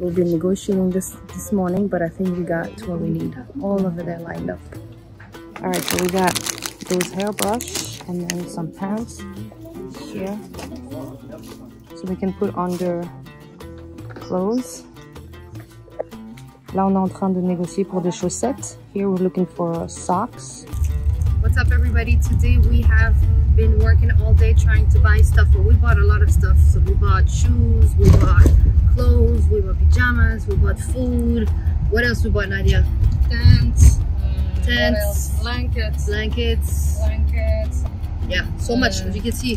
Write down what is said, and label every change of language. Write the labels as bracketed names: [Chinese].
[English] We've been negotiating this morning, but I think we got what we need. All of it there lined up. All right, so we got those hairbrush and then some pants here, so we can put under clothes. [French] Là, on est en train de négocier pour des chaussettes. [English] Here, we're looking for socks. What's up, everybody? Today we have been working all day trying to buy stuff, but we bought a lot of stuff. So we bought shoes, we bought clothes, we bought pajamas, we bought food. What else we bought, Nadia? Tents. Blankets. Yeah, so much, as you can see.